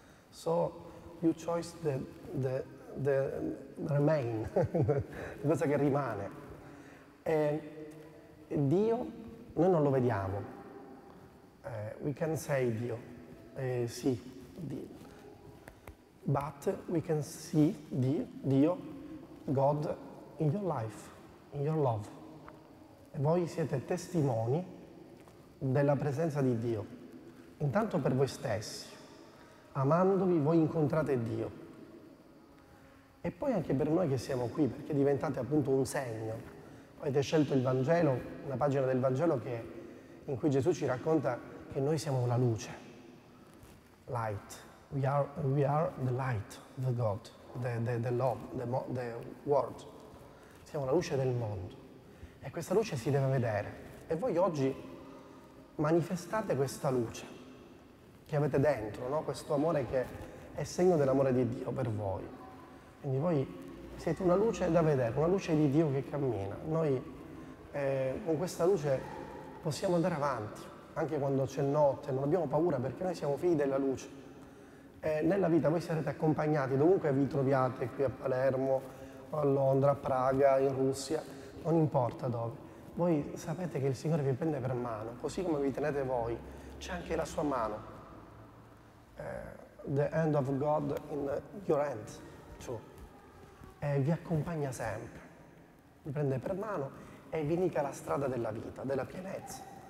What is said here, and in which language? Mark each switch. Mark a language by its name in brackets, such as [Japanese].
[English] So you choose the remain, [Italian] la cosa che rimane. E Dio, noi non lo vediamo, [English] we can say [Italian] Dio, sì, Dio. [English] But we can see Dio, God, in your life, in your love. [Italian] E voi siete testimoni della presenza di Dio. Intanto per voi stessi, amandovi, voi incontrate Dio. E poi anche per noi che siamo qui, perché diventate appunto un segno. Avete scelto il Vangelo, una pagina del Vangelo in cui Gesù ci racconta che noi siamo la luce, light. [English] We are the light, the God, the love, the world. [Italian] Siamo la luce del mondo. E questa luce si deve vedere. E voi oggi manifestate questa luce che avete dentro, no? Questo amore che è segno dell'amore di Dio per voi. Quindi voi siete una luce da vedere, una luce di Dio che cammina. Noi con questa luce possiamo andare avanti, anche quando c'è notte, non abbiamo paura perché noi siamo figli della luce. Nella vita voi sarete accompagnati dovunque vi troviate, qui a Palermo, a Londra, a Praga, in Russia, non importa dove. Voi sapete che il Signore vi prende per mano, così come vi tenete voi, c'è anche la sua mano. [English] The hand of God in your hand, too. [Italian] Vi accompagna sempre, vi prende per mano e vi indica la strada della vita, della pienezza.